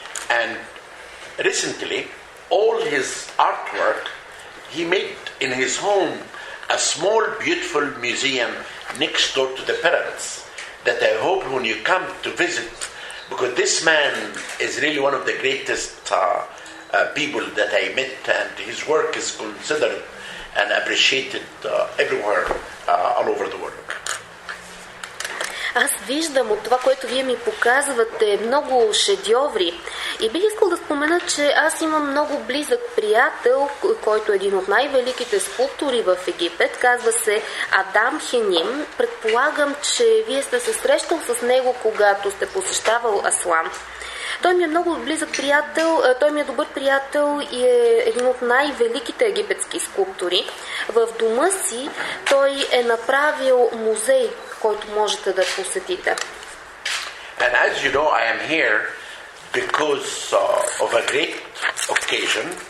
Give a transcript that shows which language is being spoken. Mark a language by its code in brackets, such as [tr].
[en] And recently, all his artwork, he made in his home a small, beautiful museum next door to the pyramids that I hope when you come to visit, because this man is really one of the greatest people that I met, and his work is considered and appreciated everywhere, all over the world. [bg] Аз виждам от това, което вие ми показвате, много шедьоври. И бих искал да спомена, че аз имам много близък приятел, който е един от най-великите скулптори в Египет. Казва се Адам Хеним. Предполагам, че вие сте се срещал с него, когато сте посещавал Аслан. Той ми е много близък приятел, той ми е добър приятел и е един от най-великите египетски скулптори. В дома си той е направил музей, който можете да посетите. [en] And as you know, I am here because of a great occasion.